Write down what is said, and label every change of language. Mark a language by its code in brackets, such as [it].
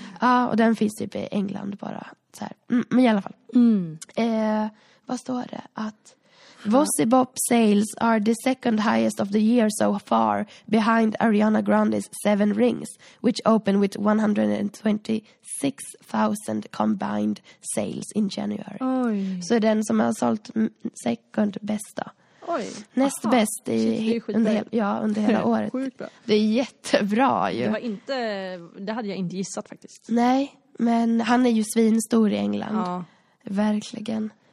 [sv] Ja, och den finns typ i England bara. Så här. Men i alla fall. Mm. Vad står det? [en] Att Vossibop sales are the second highest of the year so far behind Ariana Grande's Seven Rings, which opened with 126,000 combined sales in January. [sv] Oj. Så är den som har sålt [en] second [sv] bästa. Oj. Näst bäst under hela året. Det är jättebra ju. Det var inte, det hade jag inte gissat faktiskt. Nej, men han är ju svinstor i England. Ja. Verkligen.